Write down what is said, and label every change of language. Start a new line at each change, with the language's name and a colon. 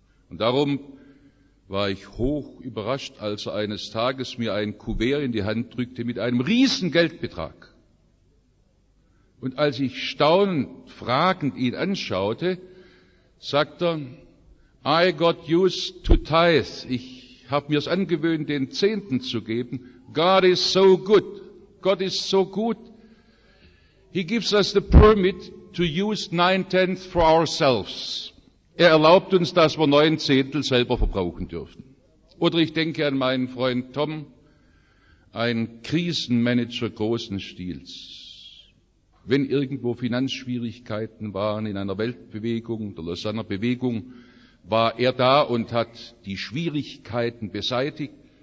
German: Und darum war ich hoch überrascht, als er eines Tages mir ein Kuvert in die Hand drückte mit einem riesen Geldbetrag. Und als ich staunend, fragend ihn anschaute, sagt er,
English: I got used to tithe.
German: Ich habe mir es angewöhnt, den Zehnten zu geben.
English: God is so good.
German: Gott ist so gut.
English: He gives us the permit to use 9/10 for ourselves.
German: Er erlaubt uns, dass wir 9/10 selber verbrauchen dürfen. Oder ich denke an meinen Freund Tom, ein Krisenmanager großen Stils. Wenn irgendwo Finanzschwierigkeiten waren in einer Weltbewegung, der Lausanner Bewegung, war er da und hat die Schwierigkeiten beseitigt.